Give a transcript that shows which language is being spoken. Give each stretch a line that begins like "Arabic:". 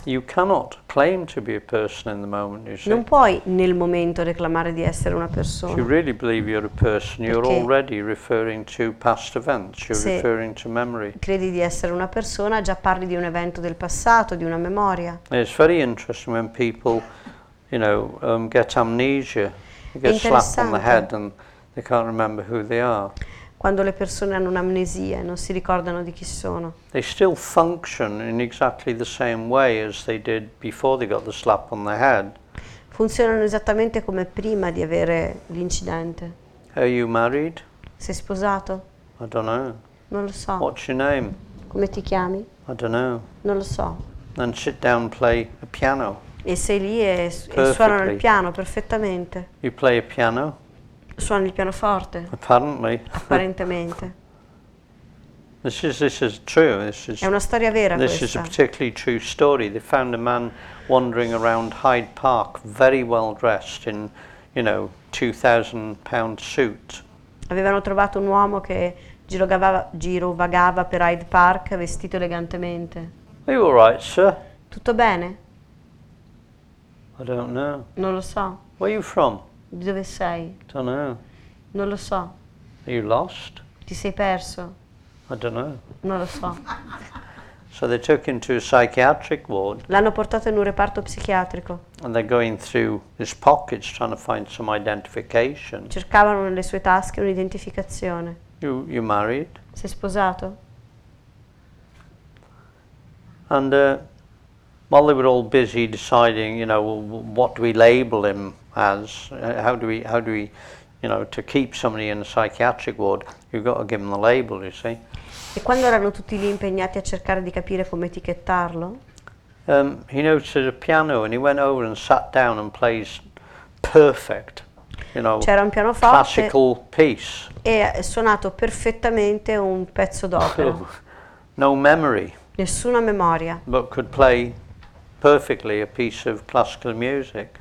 English: You cannot claim to be a person in the moment, you see.
Italian: Non puoi nel momento reclamare di essere una persona.
English: If you really believe you're a person, you're
Italian: perché
English: already referring to past events, you're referring to memory.
Italian: Credi di essere una persona, già parli di un evento del passato, di una memoria.
English: It's very interesting when people, you know, get amnesia, get slapped on the head and they can't remember who they are.
Italian: Quando le persone hanno un'amnesia e non si ricordano di chi sono.
English: They still function in exactly the same way as they did before they got the slap on the head.
Italian: Funzionano esattamente come prima di avere l'incidente.
English: Are you married?
Italian: Sei sposato?
English: I don't know.
Italian: Non lo so.
English: What's your name?
Italian: Come ti chiami?
English: I don't know.
Italian: Non lo so.
English: And sit down and play a piano.
Italian: E sei lì e suonano il piano perfettamente.
English: You play a piano?
Italian: Suoni il pianoforte.
English: Apparently.
Italian: Apparentemente.
English: This is true. This is
Italian: è una storia vera
English: this
Italian: questa.
English: This is a particularly true story. They found a man wandering around Hyde Park, very well dressed in, you know, £2,000 suit.
Italian: Avevano trovato un uomo che girovagava per Hyde Park vestito elegantemente.
English: Are you all right, sir?
Italian: Tutto bene?
English: I don't know.
Italian: Non lo so.
English: Where are you from?
Italian: Di dove sei?
English: Don't know.
Italian: Non lo so.
English: Are you lost?
Italian: Ti sei perso?
English: I don't know.
Italian: Non lo so.
English: So they took him to a psychiatric ward.
Italian: L'hanno portato in un reparto psichiatrico.
English: And they're going through his pockets trying to find some identification.
Italian: Cercavano nelle sue tasche un'identificazione.
English: You married?
Italian: Sei sposato?
English: And while they were all busy deciding, you know, what do we label him? As how do we you know, to keep somebody in a psychiatric ward, you've got to give them the label, you see.
Italian: E quando erano tutti lì impegnati a cercare di capire come etichettarlo?
English: He noticed a piano and he went over and sat down and plays perfect, you know.
Italian: C'era un pianoforte.
English: Classical piece.
Italian: E è suonato perfettamente un pezzo d'opera.
English: No memory.
Italian: Nessuna memoria.
English: But could play perfectly a piece of classical music.